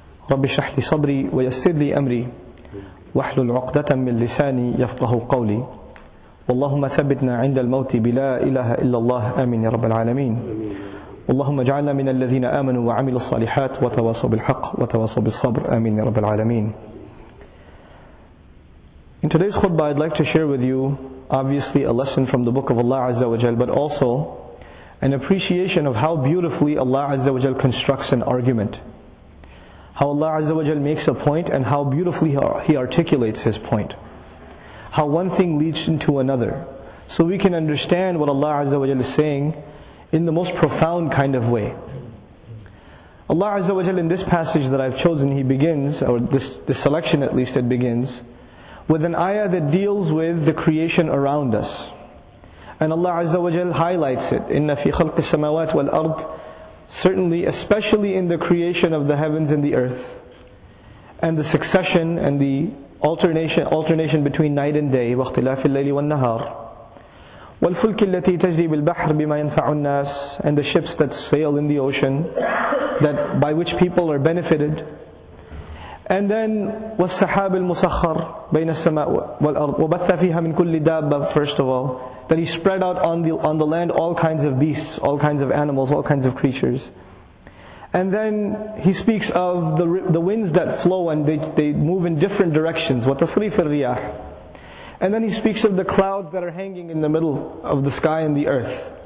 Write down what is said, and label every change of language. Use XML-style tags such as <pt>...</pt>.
<ar>رب اشرح لي صدري ويسر لي أمري واحلل عقدة من لساني يفقه قولي. اللهم ثبتنا عند الموت بلا إله إلا الله، آمين يا رب العالمين. اللهم اجعلنا من الذين آمنوا وعملوا الصالحات وتواصوا بالحق وتواصوا بالصبر، آمين يا رب العالمين.</ar> <en>In today's khutbah, I'd like to share with you obviously a lesson from the book of Allah Azza wa Jal, but also an appreciation of how beautifully Allah Azza wa Jal constructs an argument, how Allah Azza wa Jal makes a point and how beautifully He articulates His point, how one thing leads into another, so we can understand what Allah Azza wa Jal is saying in the most profound kind of way. Allah Azza wa Jal, in this passage that I've chosen, He begins, or this selection at least, it begins with an ayah that deals with the creation around us. And Allah Azza wa Jal highlights it.</en> <ar>إِنَّ فِي خَلْقِ السَّمَوَاتِ وَالْأَرْضِ.</ar> <en>Certainly, especially in the creation of the heavens and the earth, and the succession and the alternation between night and day,</en> <ar>وَاخْتِلَافِ اللَّيْلِ وَالنَّهَارِ. وَالْفُلْكِ الَّتِي تَجْرِي بِالْبَحْرِ بِمَا يَنْفَعُ النَّاسِ.</ar> <en>And the ships that sail in the ocean, that by which people are benefited. And then</en> <ar>وَالسَّحَابِ الْمُسَخَّرِ بَيْنَ السَّمَاءِ وَالْأَرْضِ وَبَثَّ فِيهَا مِنْ كُلِّ دَابَّةٍ.</ar> <en>First of all, that He spread out on the land all kinds of beasts, all kinds of animals, all kinds of creatures. And then He speaks of the winds that flow and they move in different directions.</en> <ar>وَتَصْرِيفِ الرِّيَاحِ.</ar> <en>And then He speaks of the clouds that are hanging in the middle of the sky and the earth.</en>